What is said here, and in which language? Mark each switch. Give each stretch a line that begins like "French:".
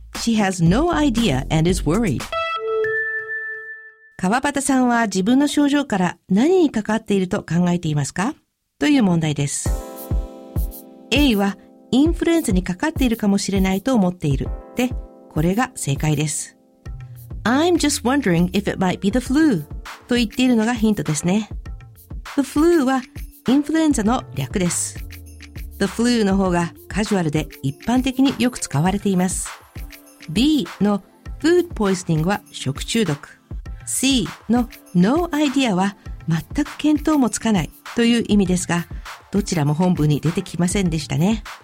English: She has no idea and is worried.
Japanese: 川端さんは自分の症状から何にかかっていると考えていますか？という問題です。 A はインフルエンザにかかっているかもしれないと思っている。で、これが正解です。
English: I'm just wondering if it might be the flu
Japanese: と言っているのがヒントですね。 The flu はインフルエンザの略です。The flu の方がカジュアルで一般的によく使われています。 B の food poisoning は食中毒。 C の No idea は全く見当もつかないという意味ですが、どちらも本文に出てきませんでしたね。